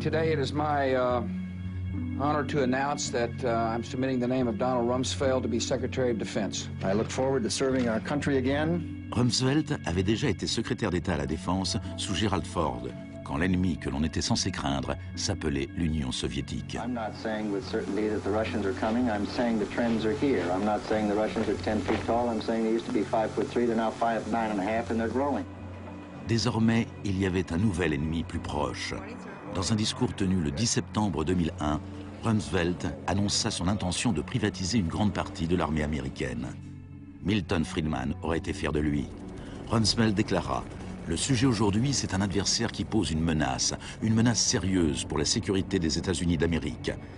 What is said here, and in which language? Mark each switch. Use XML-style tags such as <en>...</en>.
<en>Today it is my honor to announce that I'm submitting the name of Donald Rumsfeld to be Secretary of Defense. I look forward to serving our country again.</en> <fr>Rumsfeld avait déjà été secrétaire d'État à la Défense sous Gerald Ford, quand l'ennemi que l'on était censé craindre s'appelait l'Union soviétique.</fr> <en>I'm not saying with certainty that the Russians are coming. I'm saying the trends are here. I'm not saying the Russians are 10 feet tall. I'm saying they used to be 5'3", they're now 5'9½, and they're growing.</en> <fr>Désormais, il y avait un nouvel ennemi plus proche. Dans un discours tenu le 10 septembre 2001, Rumsfeld annonça son intention de privatiser une grande partie de l'armée américaine. Milton Friedman aurait été fier de lui. Rumsfeld déclara: le sujet aujourd'hui, c'est un adversaire qui pose une menace sérieuse pour la sécurité des États-Unis d'Amérique.</fr>